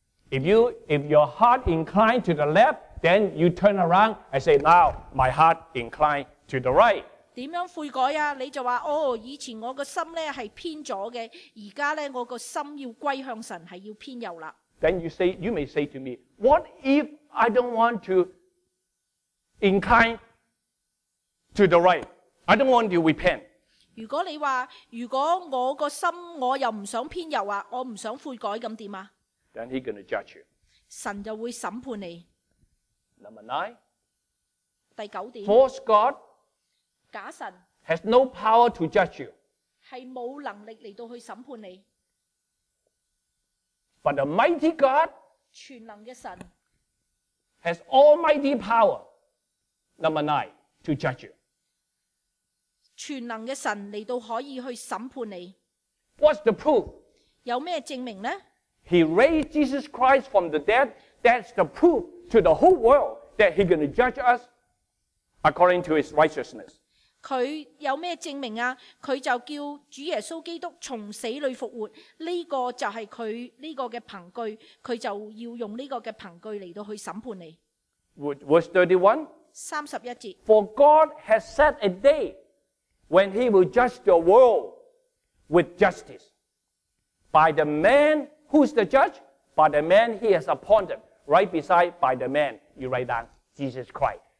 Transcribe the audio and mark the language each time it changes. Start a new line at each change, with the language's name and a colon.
English: If your heart inclined to the left, then you turn around and say, now my heart inclined to the right.
Chinese: 怎样悔改啊？你就说，哦，以前我的心呢是偏左的，现在呢我的心要归向神，是要偏右了。
English: Then you may say to me, what if I don't want to incline to the right? I don't want to repent.
Chinese: 如果你说，如果我的心我又不想偏右啊，我不想悔改，那怎么办？
English: Then he's going to judge you.
Chinese: 神就会审判你。
English: Number nine.
Chinese: 第九点。
English: False God.
Chinese: 假神。
English: Has no power to judge you.
Chinese: 是没有能力来到去审判你。
English: But the mighty God.
Chinese: 全能的神。
English: Has almighty power. Number nine. To judge you.
Chinese: 全能的神来到可以去审判你。
English: What's the proof?
Chinese: 有什么证明呢？
English: He raised Jesus Christ from the dead. That's the proof to the whole world that he's going to judge us according to his righteousness.
Chinese: 他有什么证明啊？他就叫主耶稣基督从死里复活，这个就是他这个的凭据，他就要用这个的凭据来到去审判你。
English: Verse 31,
Chinese: 31节。
English: For God has set a day when he will judge the world with justice by the man. Who's the judge? By the man he has appointed. Right beside by the man, you write down Jesus Christ.